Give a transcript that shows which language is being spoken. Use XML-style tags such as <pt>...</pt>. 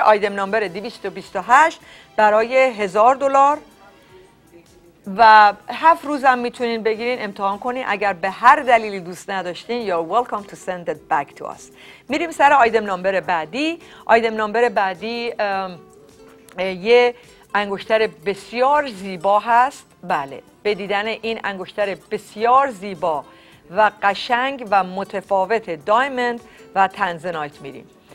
<fa>آیدم نمبر 228 برای $1000 و 7 روز هم میتونین بگیرین امتحان کنین. اگر به هر دلیلی دوست نداشتین،</fa> <en>you're welcome to send it back to us.</en> <fa>میریم سر آیدم نمبر بعدی. آیدم نمبر بعدی یه انگشتر بسیار زیبا هست. بله، به دیدن این انگشتر بسیار زیبا و قشنگ و متفاوت دایموند و تنزنایت میریم.</fa>